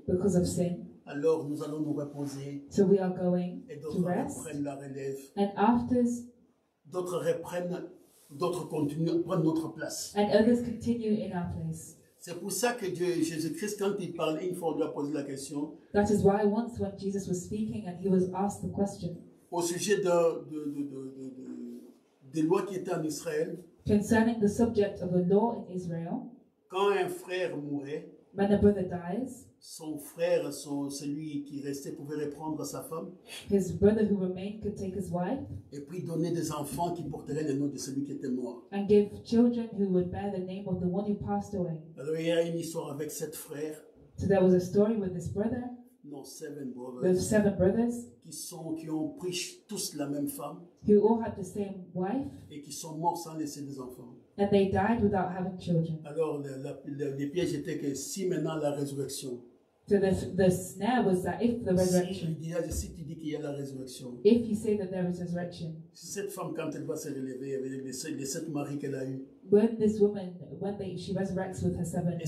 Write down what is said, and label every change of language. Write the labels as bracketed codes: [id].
[en] because of sin. [fr] Alors nous allons nous reposer, [en] so we are going [fr] et [en] to rest, [fr] prennent la relève, [en] and after. [fr] D'autres reprennent, d'autres continuent, prennent notre place. [en] And others continue in our place. [fr] C'est pour ça que Dieu, Jésus-Christ, quand il parlait, une fois on lui a posé la question. [en] That is why once when Jesus was speaking and he was asked the question. [fr] Au sujet de lois qui étaient en Israël. [en] Concerning the subject of a law in Israel. [fr] Quand un frère mourait. [en] When a brother dies. [fr] Son frère, celui qui restait, pouvait reprendre sa femme. [en] His brother who remained could take his wife. [fr] Et puis donner des enfants qui porteraient le nom de celui qui était mort. [en] And give children who would bear the name of the one who passed away. [fr] Alors il y a une histoire avec sept frères. [en] So there was a story with this brother. [fr] Non, [en] seven brothers. With seven brothers. [fr] Qui ont pris tous la même femme. [en] Who all had the same wife. [fr] Et qui sont morts sans laisser des enfants. [en] And they died without having children. [fr] Alors le piège était que si maintenant la résurrection. [en] So the snare was that if the resurrection. [fr] Si tu dis qu'il y a la résurrection. [en] If you say that there is resurrection. [fr] Si cette femme quand elle va se relever avec les sept maris qu'elle a eu. [en] When this woman she resurrects with her seven.